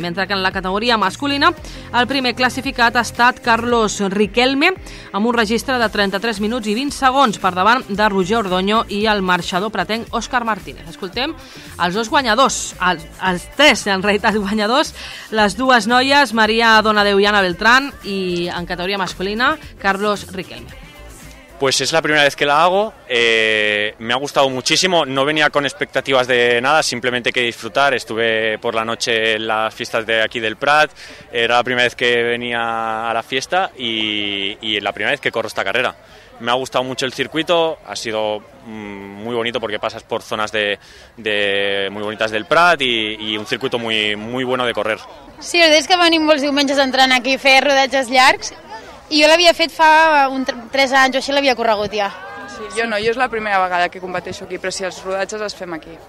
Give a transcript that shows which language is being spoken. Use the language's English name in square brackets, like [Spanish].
[Catalan] Mentre que en la categoria masculina, el primer classificat ha estat Carlos Riquelme, amb un registre de 33 minuts i 20 segons per davant de Roger Ordoño i el marxador pretenc Òscar Martínez. Escoltem els dos guanyadors, els tres, en realitat, guanyadors, les dues noies, Maria Donadeu i Anna Beltrán, i en categoria masculina, Carlos Riquelme. [Spanish] Pues es la primera vez que la hago, me ha gustado muchísimo, no venía con expectativas de nada, simplemente que disfrutar, estuve por la noche en las fiestas de aquí del Prat, era la primera vez que venía a la fiesta y la primera vez que corro esta carrera. Me ha gustado mucho el circuito, ha sido muy bonito porque pasas por zonas de muy bonitas del Prat y un circuito muy, muy bueno de correr. Sí, ¿verdad? [Catalan] Es que venim molts diumenges entrant aquí a fer rodatges llargs. I jo l'havia fet fa 3 anys o així, l'havia corregut ja. Sí, jo no, jo és la primera vegada que competeixo aquí, però si els rodatges els fem aquí.